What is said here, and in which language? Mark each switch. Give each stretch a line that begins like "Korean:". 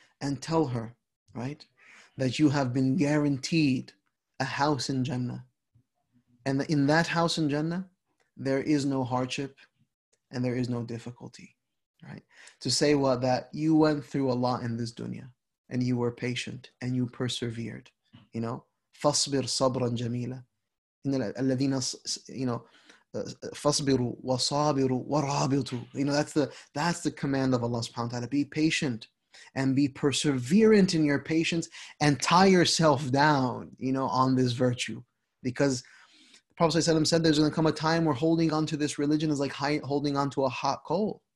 English: And tell her, right, that you have been guaranteed a house in Jannah. And in that house in Jannah, there is no hardship and there is no difficulty, right? To say what, well, that you went through a lot in this dunya and you were patient and you persevered, you know?
Arabic: فَصْبِرْ صَبْرًا جَمِيلًا الَّذِينَ, you know, فَصْبِرُوا وَصَابِرُوا وَرَابِطُوا.
English: You know, that's the command of Allah subhanahu wa ta'ala. Be patient and be perseverant in your patience and tie yourself down, you know, on this virtue. Because Prophet ﷺ said there's going to come a time where holding on to this religion is like holding on to a hot coal.